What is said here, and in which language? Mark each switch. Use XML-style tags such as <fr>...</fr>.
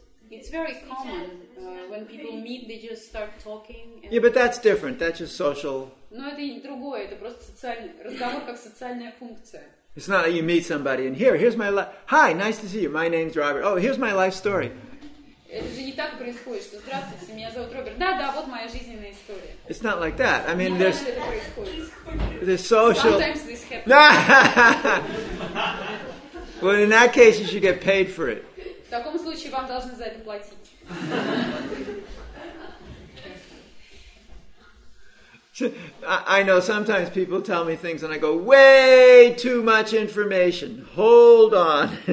<en>It's very common when people meet, they just start talking. And yeah, but that's different. That's just social.</en> <ru>Но это не другое. Это просто социальный разговор как социальная функция.</ru> <en>It's not like you meet somebody and here's my life. Hi, nice to see you. My name's Robert. Oh, here's my life story.</en> <ru>Это же не так происходит, что здравствуйте, меня зовут Роберт. Да, вот моя жизненная история.</ru> <en>It's not like that. I mean, there's social. Sometimes this happens. Well, in that case, you should get paid for it.</en> <ru>В таком случае вам должны за это платить.</ru> <en>I know sometimes people tell me things and I go, way too much information. Hold on.</en>